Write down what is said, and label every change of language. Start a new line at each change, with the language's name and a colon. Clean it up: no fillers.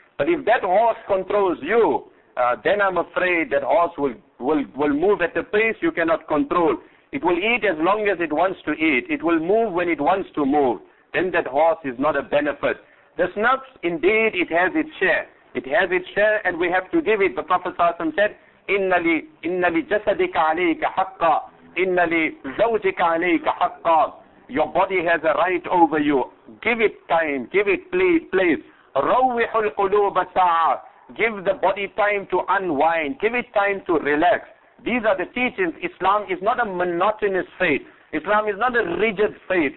English: But if that horse controls you, then I'm afraid that horse will move at a pace you cannot control. It will eat as long as it wants to eat. It will move when it wants to move. Then that horse is not a benefit. The snuffs, indeed, it has its share. It has its share and we have to give it. The Prophet ﷺ said,
Arabic: إِنَّ لِجَسَدِكَ عَلَيْكَ حَقَّ إِنَّ لِزَوْجِكَ عَلَيْكَ حَقَّ.
English: Your body has a right over you. Give it time. Give it place.
Arabic: رَوِّحُ الْقُلُوبَ سَعَةً.
English: Give the body time to unwind. Give it time to relax. These are the teachings. Islam is not a monotonous faith. Islam is not a rigid faith.